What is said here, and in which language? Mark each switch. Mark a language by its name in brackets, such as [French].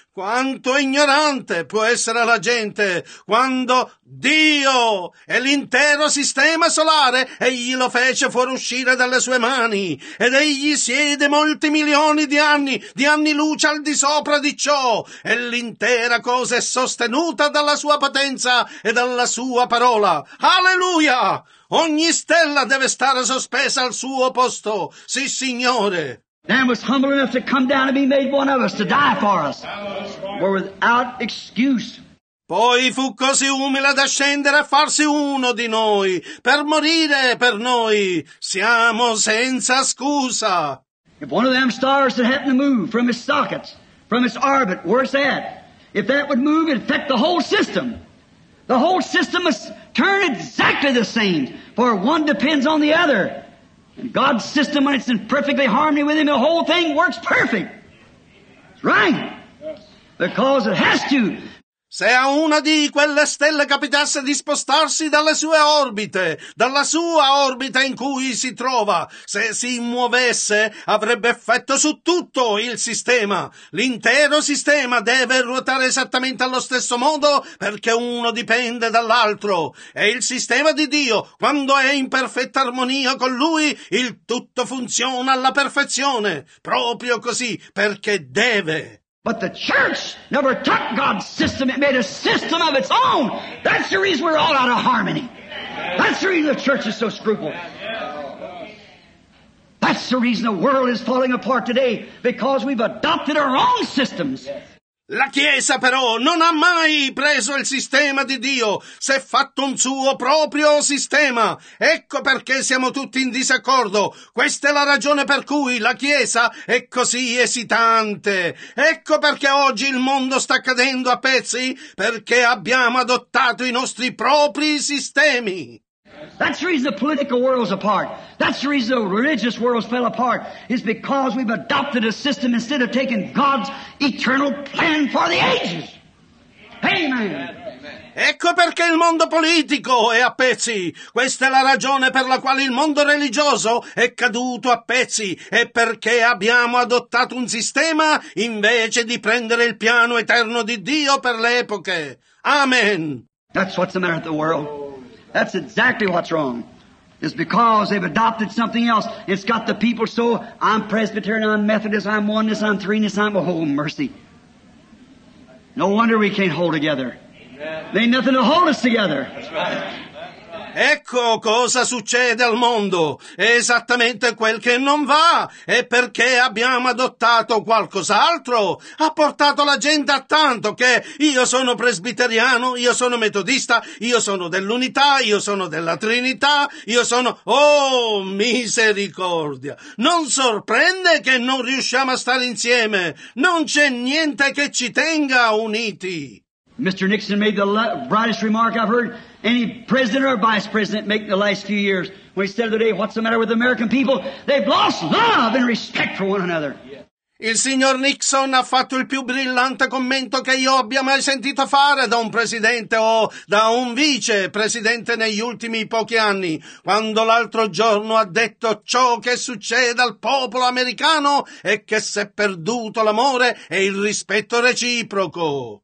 [Italian] Quanto ignorante può essere la gente quando Dio e l'intero sistema solare egli lo fece fuoriuscire dalle sue mani ed egli siede molti milioni di anni luce al di sopra di ciò e l'intera cosa è sostenuta dalla sua potenza e dalla sua parola. Alleluia! Ogni stella deve stare sospesa al suo posto. Sì, Signore! [English] Man was humble enough to come down and be made one of us, to die for us. We're without excuse. [Italian] Poi fu così umile da scendere a farsi uno di noi, per morire per noi. Siamo senza scusa. [English] If one of them stars that happened to move from its sockets, from its orbit, where's that? If that would move, it'd affect the whole system. The whole system must turn exactly the same, for one depends on the other. God's system, when it's in perfectly harmony with him, the whole thing works perfect. It's right. Because it has to. [Italian] Se a una di quelle stelle capitasse di spostarsi dalle sue orbite, dalla sua orbita in cui si trova, se si muovesse, avrebbe effetto su tutto il sistema. L'intero sistema deve ruotare esattamente allo stesso modo, perché uno dipende dall'altro. E il sistema di Dio, quando è in perfetta armonia con Lui, il tutto funziona alla perfezione. Proprio così, perché deve. [English] But the church never took God's system. It made a system of its own. That's the reason we're all out of harmony. That's the reason the church is so scrupulous. That's the reason the world is falling apart today, because we've adopted our own systems. [Italian] La Chiesa però non ha mai preso il sistema di Dio, si è fatto un suo proprio sistema. Ecco perché siamo tutti in disaccordo. Questa è la ragione per cui la Chiesa è così esitante. Ecco perché oggi il mondo sta cadendo a pezzi, perché abbiamo adottato i nostri propri sistemi. [English] That's the reason the political world's apart. That's the reason the religious world's fell apart. It's because we've adopted a system instead of taking God's eternal plan for the ages. Amen. [Italian] Ecco perché il mondo politico è a pezzi. Questa è la ragione per la quale il mondo religioso è caduto a pezzi. È perché abbiamo adottato un sistema invece di prendere il piano eterno di Dio per le epoche. Amen. [English] That's what's the matter with the world. That's exactly what's wrong. It's because they've adopted something else. It's got the people so, I'm Presbyterian, I'm Methodist, I'm oneness, I'm threeness, I'm a whole mercy. No wonder we can't hold together. Amen. There ain't nothing to hold us together. That's right. That's right. [Italian] Ecco cosa succede al mondo. È esattamente quel che non va. E perché abbiamo adottato qualcos'altro, ha portato la gente a tanto che io sono presbiteriano, io sono metodista, io sono dell'unità, io sono della Trinità, io sono... Oh, misericordia! Non sorprende che non riusciamo a stare insieme. Non c'è niente che ci tenga uniti. [English] Mr. Nixon made the brightest remark I've heard any president or vice president make in the last few years when he said today, what's the matter with the American people? They've lost love and respect for one another. [Italian] Il signor Nixon ha fatto il più brillante commento che io abbia mai sentito fare da un presidente o da un vice presidente negli ultimi pochi anni, quando l'altro giorno ha detto ciò che succede al popolo americano è che si è perduto l'amore e il rispetto reciproco.